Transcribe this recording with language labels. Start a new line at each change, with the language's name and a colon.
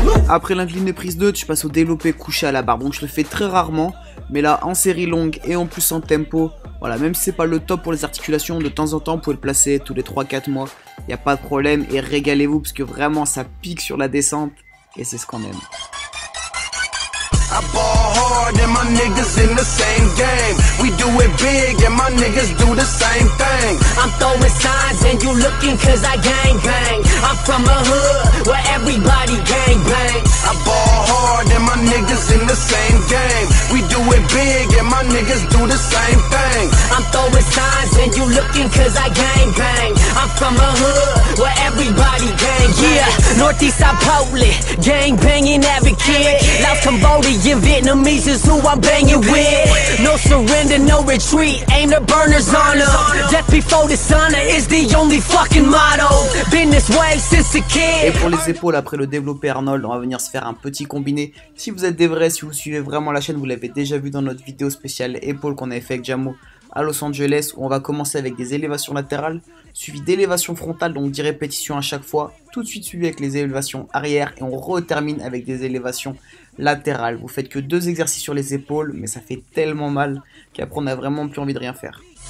French: Après l'incliné prise 2, je passe au développé couché à la barre. Donc je le fais très rarement, mais là en série longue et en plus en tempo, voilà, même si c'est pas le top pour les articulations, de temps en temps vous pouvez le placer tous les 3-4 mois, il n'y a pas de problème et régalez-vous parce que vraiment ça pique sur la descente et c'est ce qu'on aime.
English: I ball hard and my niggas in the same game. We do it big and my niggas do the same thing. I'm throwing signs and you looking 'cause I gang bang. I'm from a hood where everybody gang bang. I ball hard and my niggas in the same game. We do it big and my niggas do the same thing. I'm throwing signs and you looking 'cause I gang bang. I'm from a hood where everybody gang bang. Yeah, Northeast I poly, gang banging every kid. Louth Cambodia. Your Vietnamese is who I'm banging with. No surrender, no retreat. Aim the burners on them. Death before dishonor is the only fucking motto. Been this way since a kid.
French: Et pour les épaules, après le développé Arnold, on va venir se faire un petit combiné. Si vous êtes des vrais, si vous suivez vraiment la chaîne, vous l'avez déjà vu dans notre vidéo spéciale épaules qu'on avait fait avec Jamo à Los Angeles, où on va commencer avec des élévations latérales, suivi d'élévations frontales, donc 10 répétitions à chaque fois, tout de suite suivi avec les élévations arrière, et on retermine avec des élévations latérales. Vous faites que deux exercices sur les épaules, mais ça fait tellement mal qu'après on a vraiment plus envie de rien faire.